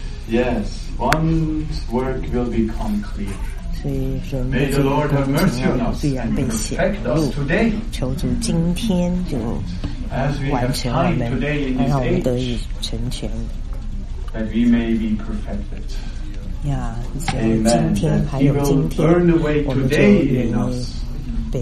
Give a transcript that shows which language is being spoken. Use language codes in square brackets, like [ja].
[en] Yes, one's work will be complete. May the Lord have mercy on us and protect us today. [zh] 求主今天就完成我们，让我们得以成全。 [en] That we may be perfected. Amen. [zh] 今天还有今天，我们就愿意被成全。